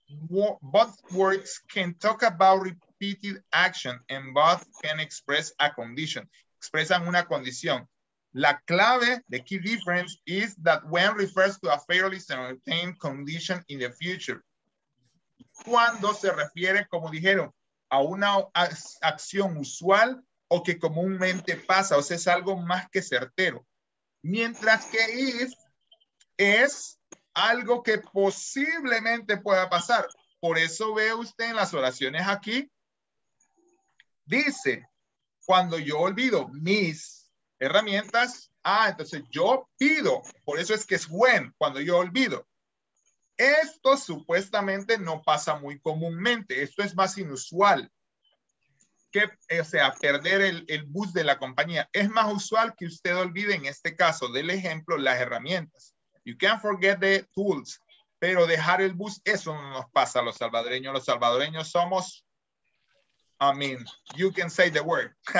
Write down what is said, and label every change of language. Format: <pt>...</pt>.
<en>Both words can talk about repeated action and both can express a condition.</en> <es>Expresan una condición. La clave,</es> <en>the key difference, is that when refers to a fairly certain condition in the future.</en> <es>Cuando se refiere, como dijeron, a una acción usual o que comúnmente pasa, o sea, es algo más que certero. Mientras que if es algo que posiblemente pueda pasar. Por eso ve usted en las oraciones aquí. Dice, cuando yo olvido mis herramientas, entonces yo pido. Por eso es que es when, cuando yo olvido. Esto supuestamente no pasa muy comúnmente. Esto es más inusual. Perder el bus de la compañía. Es más usual que usted olvide, en este caso, del ejemplo, las herramientas.</es> <en>You can't forget the tools.</en> <es>Pero dejar el bus, eso no nos pasa a los salvadoreños. Los salvadoreños somos,</es> <en>I mean, you can say the word.</en>